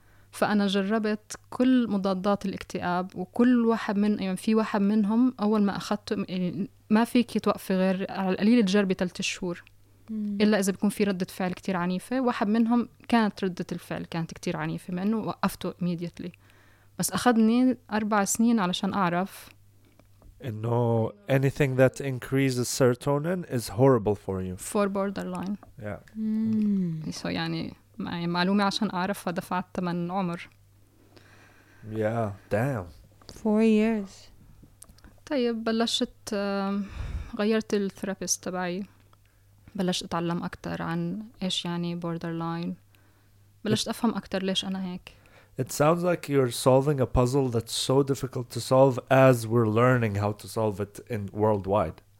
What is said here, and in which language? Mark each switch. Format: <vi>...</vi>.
<ar>فأنا جربت كل مضادات الاكتئاب وكل واحد من يعني في واحد منهم أول ما أخذته يعني ما فيك توقفي غير على القليل تجربي 3 شهور إلا إذا بيكون في ردة فعل كتير عنيفة. واحد منهم كانت ردة الفعل كانت كتير عنيفة مع أنه وقفته immediately, بس أخذني 4 سنين علشان أعرف</ar> <en>إنه anything that increases serotonin is horrible for you for borderline. Yeah.</en> <ar>So يعني معلومة عشان أعرف, فدفعت 8 عمر.</ar> <en>Yeah, damn. 4 years.</en> <ar>طيب بلشت غيرت الثيرابيست تبعي, بلشت أتعلم أكتر عن إيش يعني borderline, بلشت أفهم أكتر ليش أنا هيك.</ar> <en>It sounds like you're solving a puzzle that's so difficult to solve as we're learning how to solve it in worldwide.</en>